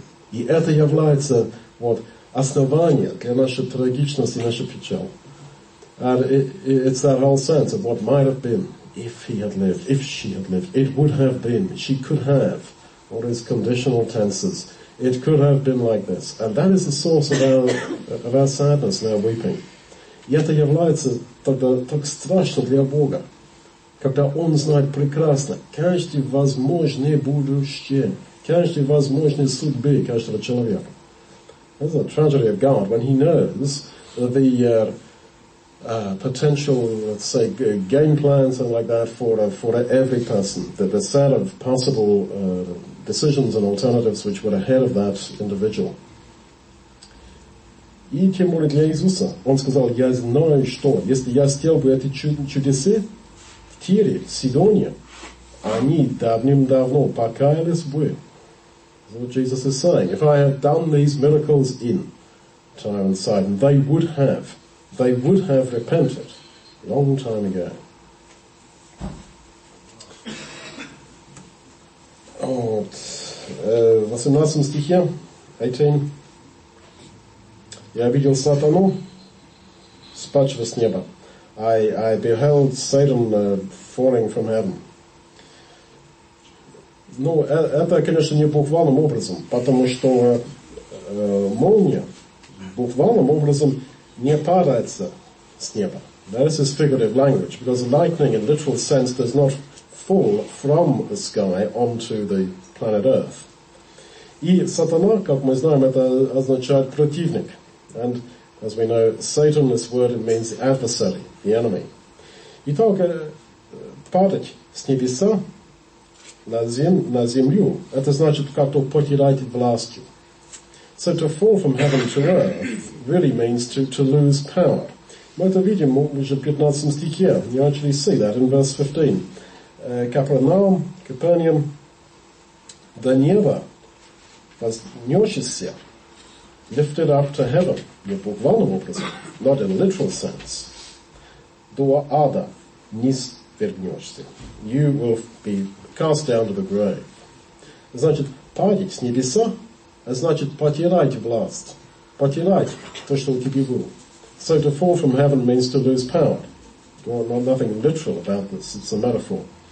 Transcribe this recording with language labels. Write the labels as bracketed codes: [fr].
[ru] И это является вот основанием для нашей трагичности, нашей печали. [en] And it's that whole sense of what might have been. If he had lived, if she had lived, it would have been, she could have, or his conditional tenses, it could have been like this. And that is the source of our sadness and our weeping. [ru] И это является тогда так страшно для Бога, когда он знает прекрасно каждое возможное будущее, каждое возможное судьбы каждого человека. [en] That's a tragedy of God when he knows the potential, let's say, game plan, something like that, for every person, the set of possible decisions and alternatives which were ahead of that individual. [ru] И тем более для Иисуса. Он сказал, я знаю, что, если я сделал бы эти чудеса в Тире, в Сидоне, они давным-давно покаялись бы. [en] That's what Jesus is saying. If I had done these miracles in Tyre and Sidon, they would have. They would have repented a long time ago. [ru] Вот. 18 стихе, 18. Я видел сатану, спадшего с неба. [en] I beheld Satan falling from heaven. [ru] Ну, это, конечно, не буквальным образом, потому что молния буквальным образом не падается с неба. [en] That is his figurative language, because lightning in literal sense does not fall from the sky onto the planet Earth. [ru] И сатана, как мы знаем, это означает противник. [en] And as we know, Satan, this word, it means the adversary, the enemy. [ru] Итак, падать с небеса на землю, это значит как-то потерять властью. [en] So to fall from heaven to earth really means to lose power. [ru] Мы это видим уже в 15 стихе. [en] You actually see that in verse 15. [ru] Капернаум, Капернаум, до неба вознесся, [en] lifted up to heaven, [ru] не буквальным образом, [en] not in literal sense, [ru] до ада не свергнешься. [en] You will be cast down to the grave. [ru] Значит, падать с небеса, это значит потерять власть, потерять то, что у тебя было. [en] So to fall from heaven means to lose power. Well, nothing literal about this, it's a metaphor.